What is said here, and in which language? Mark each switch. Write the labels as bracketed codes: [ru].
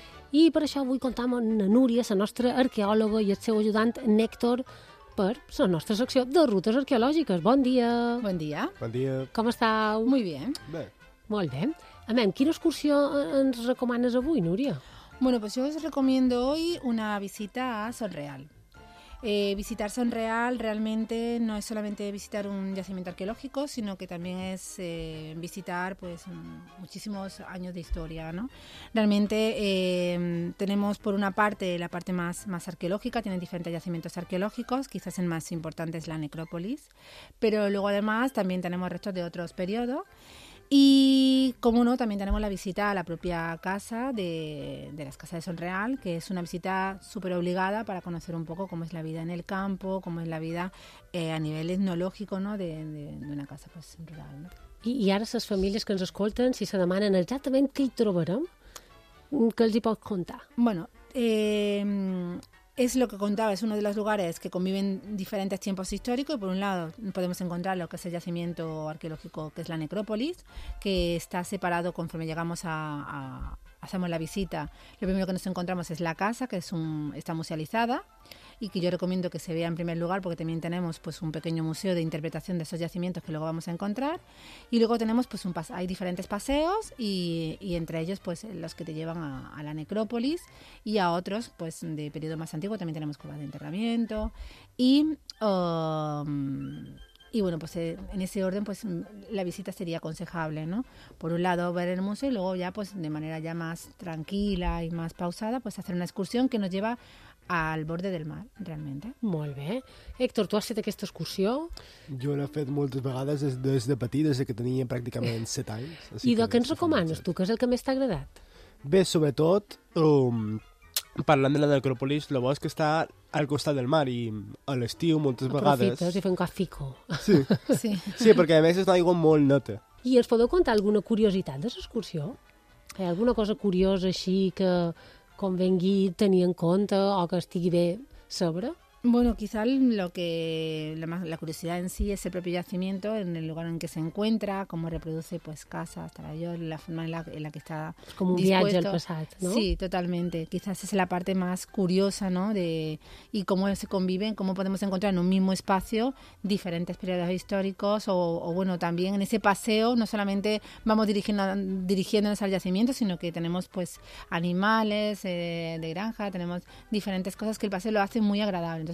[ca] I per això vull comptar amb la Núria, la nostra arqueòloga, i el seu ajudant, Néctor, per la nostra secció de rutes arqueològiques. Bon dia! Bon dia! Bon dia! Com estàu? [es] Muy bien. [ca] Bé. Molt bé. A veure, quina excursió ens recomanes avui, Núria? [es] Bueno, pues yo os recomiendo hoy una visita a Sonreal. Visitar Sonreal realmente no es solamente visitar un yacimiento arqueológico, sino que también es visitar pues muchísimos años de historia, ¿no? Realmente tenemos por una parte la parte más arqueológica, tiene diferentes yacimientos arqueológicos, quizás el más importante es la necrópolis, pero luego además también tenemos restos de otros periodos y, como no, también tenemos la visita a la propia casa de las casas de Sonreal, que es una visita súper obligada para conocer un poco cómo es la vida en el campo, cómo es la vida a nivel etnológico, ¿no?, de una casa pues, rural, ¿no? [ca] I ara les famílies que ens escolten, si se demanen exactament què hi trobarem, què els hi pot contar? [es] Bueno, es lo que contaba, es uno de los lugares que conviven diferentes tiempos históricos. Por un lado podemos encontrar lo que es el yacimiento arqueológico, que es la necrópolis, que está separado conforme llegamos a hacemos la visita. Lo primero que nos encontramos es la casa, que está musealizada y que yo recomiendo que se vea en primer lugar, porque también tenemos pues un pequeño museo de interpretación de esos yacimientos que luego vamos a encontrar. Y luego tenemos pues hay diferentes paseos y entre ellos pues los que te llevan a la necrópolis y a otros pues de periodo más antiguo. También tenemos cuevas de enterramiento y bueno, pues en ese orden pues la visita sería aconsejable, ¿no? Por un lado ver el museo y luego ya pues de manera ya más tranquila y más pausada pues hacer una excursión que nos lleva al borde del mar, realmente. [ca] Molt bé. Héctor, tu has fet aquesta excursió? Jo l'he fet moltes vegades des de petit, des que tenia pràcticament 7 anys. I de què ens recomanes tu? Què és el que més t'ha agradat? Bé, sobretot, parlant de la necròpolis, el bo és que està al costat del mar i a l'estiu moltes vegades... Aprofites i fem cafico. Sí. Sí, perquè a més és una aigua molt neta. I ens podeu contar alguna curiositat de l'excursió? Alguna cosa curiosa així que convengui tenir en compte o que estigui bé sobre? [es] Bueno, quizás la curiosidad en sí es el propio yacimiento, en el lugar en que se encuentra, cómo reproduce pues casas, la forma en la que está dispuesto. Es como un viaje al pasado, ¿no? Sí, totalmente. Quizás es la parte más curiosa, ¿no? Y cómo se conviven, cómo podemos encontrar en un mismo espacio diferentes periodos históricos o bueno, también en ese paseo no solamente vamos dirigiéndonos al yacimiento, sino que tenemos pues animales de granja, tenemos diferentes cosas que el paseo lo hace muy agradable.